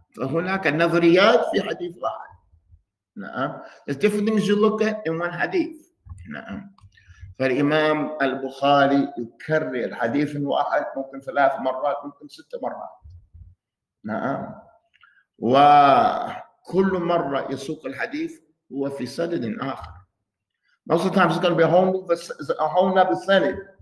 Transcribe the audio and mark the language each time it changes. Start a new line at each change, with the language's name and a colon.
Arabic: فهناك نظريات في حديث واحد. نعم.
English: There's different things you look at in one hadith.
Arabic: نعم. فالإمام البخاري يكرر حديث واحد ممكن ثلاث مرات ممكن ست مرات. نعم. وكل مرة يسوق الحديث هو في سند آخر.
English: Most of the time it's going to be a whole new sentence.